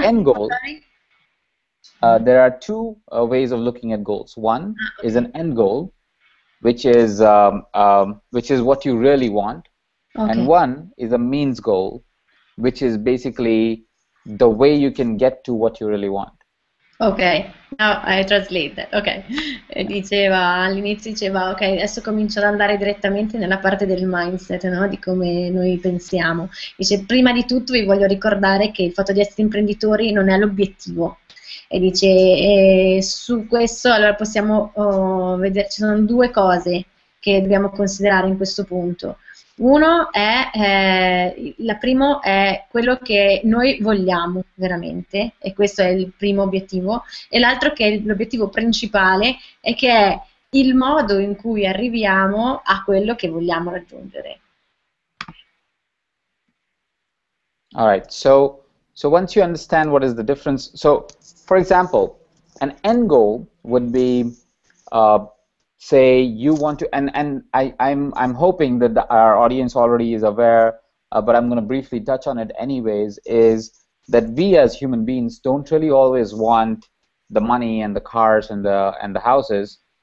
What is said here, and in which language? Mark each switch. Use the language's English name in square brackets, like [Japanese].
[English] the end goal, there are two ways of looking at goals. One is an end goal, which is what you really want. Okay. And one is a means goal, which is basically the way you can get to what you really want. Okay, now I translate that. [Italian] Okay, diceva all'inizio, diceva ok, adesso comincio ad andare direttamente nella parte del mindset, no? Di come noi pensiamo. Dice, prima di tutto vi voglio ricordare che il fatto di essere imprenditori non è l'obiettivo. E dice, su questo allora possiamo vedere, ci sono due cose che dobbiamo considerare in questo punto. Uno è, la prima è quello che noi vogliamo veramente, e questo è il primo obiettivo, e l'altro, che è l'obiettivo principale, è che è il modo in cui arriviamo a quello che vogliamo raggiungere. [English] All right, so once you understand what is the difference, so for example, an end goal would be say you want to, and I'm hoping that our audience already is aware, but I'm going to briefly touch on it anyways, is that we as human beings don't really always want the money and the cars and the houses.